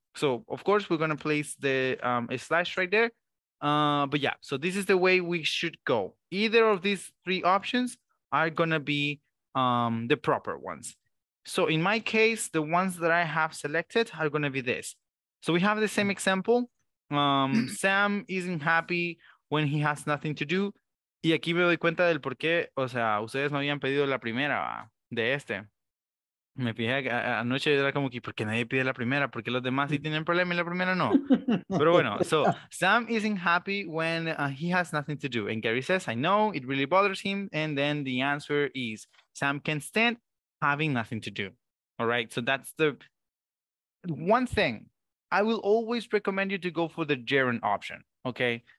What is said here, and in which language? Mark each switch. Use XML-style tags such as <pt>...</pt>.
<en>So, of course, we're going to place the a slash right there. But yeah, so this is the way we should go. Either of these three options are going to be the proper ones. So in my case, the ones that I have selected are going to be this. So we have the same example. Sam isn't happy when he has nothing to do.</en> <es>Y aquí me doy cuenta del por qué, o sea, ustedes no habían pedido la primera de este. Me fijé anoche, era como que, ¿por qué nadie pide la primera? ¿Por qué los demás sí tienen problema y la primera no? Pero bueno,</es> <en>so, Sam isn't happy when he has nothing to do. And Gary says, I know, it really bothers him. And then the answer is, Sam can't stand having nothing to do. All right, so that's the one thing. I will always recommend you to go for the gerund option, okay?</en>